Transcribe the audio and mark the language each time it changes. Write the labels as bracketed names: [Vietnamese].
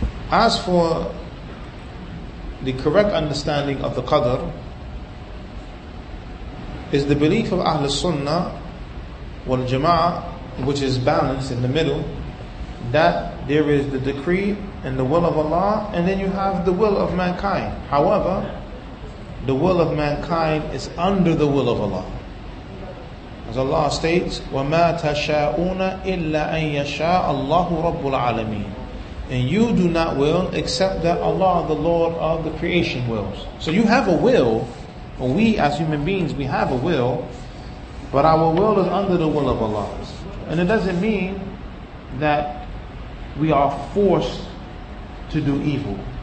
[English] As for the correct understanding of the Qadr, is the belief of Ahl Sunnah wal Jama'ah, which is balanced in the middle, that there is the decree and the will of Allah, and then you have the will of mankind. However, the will of mankind is under the will of Allah. [Arabic] As Allah states, وَمَا تَشَاءُونَ إِلَّا أَن يَشَاءَ اللَّهُ رَبُّ الْعَالَمِينَ. [English] And you do not will except that Allah, the Lord of the creation, wills. So you have a will. We as human beings, we have a will. But our will is under the will of Allah. And it doesn't mean that we are forced to do evil.